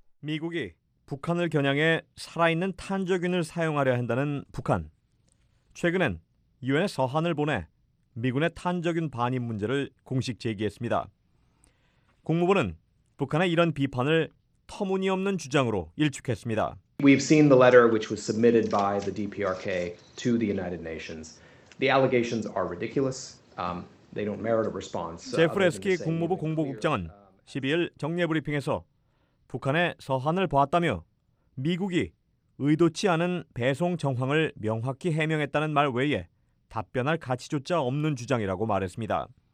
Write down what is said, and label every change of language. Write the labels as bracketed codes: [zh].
[ko] 미국이 북한을 겨냥해 살아있는 탄저균을 사용하려 한다는 북한. 최근엔 유엔에 서한을 보내 미군의 탄저균 반입 문제를 공식 제기했습니다. 국무부는 북한의 이런 비판을 터무니없는 주장으로 일축했습니다. [en] We've seen the letter which was submitted by the DPRK to the United Nations. The allegations are ridiculous. They don't merit a response. [ko] 제프 레스키 국무부 공보국장은 12일 정례 브리핑에서 북한의 서한을 보았다며 미국이 의도치 않은 배송 정황을 명확히 해명했다는 말 외에 답변할 가치조차 없는 주장이라고 말했습니다.